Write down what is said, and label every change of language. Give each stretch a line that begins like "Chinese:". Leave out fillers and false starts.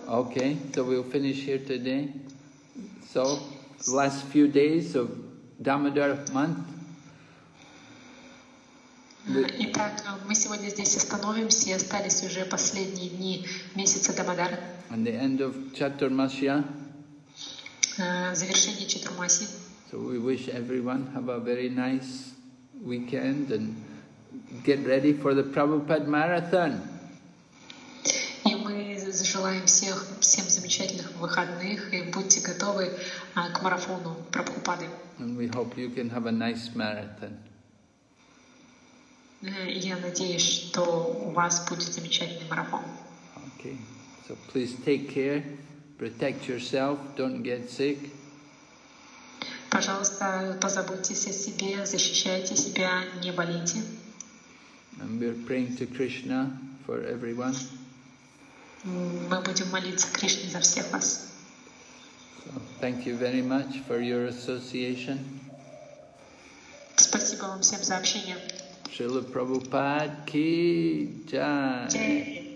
English: Okay, so we'll finish here today. So, last few days of Damodar month.
Russian: Итак, мы сегодня здесь остановимся, остались уже последние дни месяца Дамодара.
English: And the end of Chaturmasya.
Russian: Завершение Чатурмаси.
English: So we wish everyone have a very nice weekend and get ready for the Prabhupada marathon.
Russian: И мы желаем всем замечательных выходных и будьте готовы к марафону Прабхупады.
English: And we hope you can have a nice marathon.
Russian: Я надеюсь, что у вас будет замечательный марафон.
English: Okay, so please take care. Protect yourself, don't get sick.
Russian: Пожалуйста, позаботьтесь о себе, защищайте себя, не болейте.
English: And we're praying to Krishna for everyone.
Russian: Мы будем молиться Кришне за всех вас.
English: So, thank you very much for your association.
Russian: Спасибо вам всем за общение. Шрила Прабхупада ки джай.